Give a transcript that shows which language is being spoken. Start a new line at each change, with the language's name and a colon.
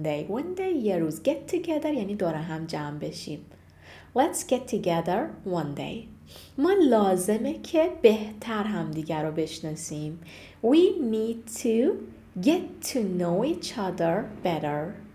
English: One day
Persian: یه روز.
English: Get together
Persian: یعنی دور هم جمع بشیم.
English: Let's get together one day.
Persian: ما لازمه که بهتر همدیگر رو بشناسیم.
English: We need to get to know each other better.